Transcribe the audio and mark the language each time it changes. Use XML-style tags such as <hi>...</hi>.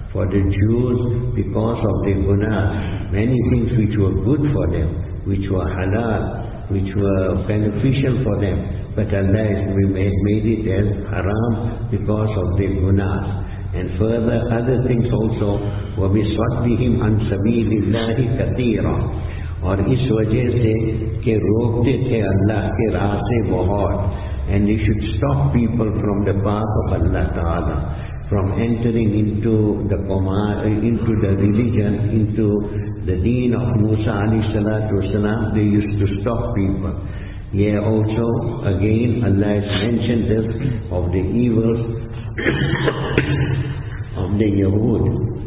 <en>For the Jews, because of the gunas, many things which were good for them, which were halal, which were beneficial for them, but Allah has made it as haram because of the gunas. And further, other things also,</en> <ar>وَبِصَدِّهِمْ عَنْ سَبِيلِ اللَّهِ كَثِيرًا.</ar> <ur>اور اس وجہ سے کہ روکتے تھے اللہ کے راستے بہت.</ur> <en>And you should stop people from the path of Allah Ta'ala, from entering into the religion, into the deen of Musa alayhi salatu wasalam. They used to stop people. Yeah, also, again, Allah has mentioned this of the evils of the Yahud.</en>